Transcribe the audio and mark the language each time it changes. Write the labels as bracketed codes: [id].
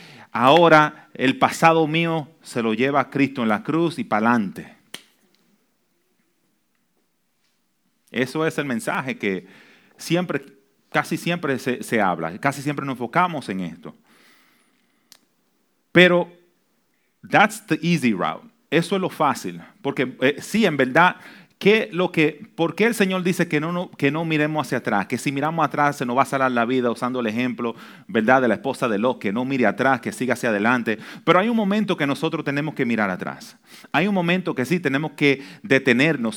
[es] Ahora el pasado mío se lo lleva a Cristo en la cruz y para adelante. Eso es el mensaje que siempre, casi siempre se habla. Casi siempre nos enfocamos en esto. Pero [en] that's the easy route. [es] Eso es lo fácil. Porque sí, en verdad, ¿por qué el Señor dice que no miremos hacia atrás? Que si miramos atrás se nos va a salvar la vida, usando el ejemplo, ¿verdad?, de la esposa de Lot, que no mire atrás, que siga hacia adelante. Pero hay un momento que nosotros tenemos que mirar atrás. Hay un momento que sí, tenemos que detenernos.